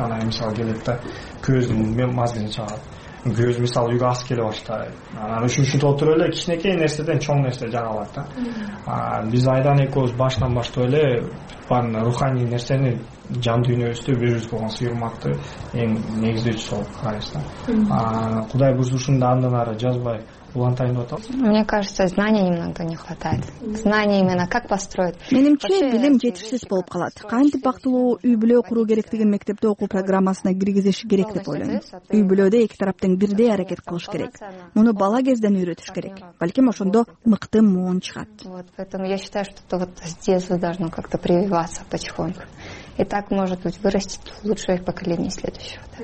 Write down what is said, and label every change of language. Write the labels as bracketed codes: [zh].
[ky] Анан мисалы келет да, күйөөсүнүн мазгини чыгат. Күйөөсү мисалы үйгө аз келе баштайт. Анан ушинтип отуруп эле кичинекей нерседен чоң нерсе жаралат да. Биз айдан экөөбүз башынан баштап эле баарын руханий нерсени жан дүйнөбүздү бири бирибизге болгон сыйрматты эң негиздөөчү болуп карайбыз да. Кудай бузушунда андан ары жазбай [ru] Мне кажется, знания немного не хватает. Знания именно как построить. [ky] Менимче билим жетишсиз болуп калат. Кантип бактылуу үй бүлө куруу керектигин мектепте окуу программасына киргизиш керек деп ойлойм. Үй бүлөдө эки тараптын бирдей аракет кылыш керек. Муну бала кезден үйрөтүш керек. Балким ошондо мыкты муун чыгат. [ru] Вот, поэтому я считаю, что это вот с детства должно как-то прививаться потихоньку. И так может быть вырастет лучшее поколение следующего.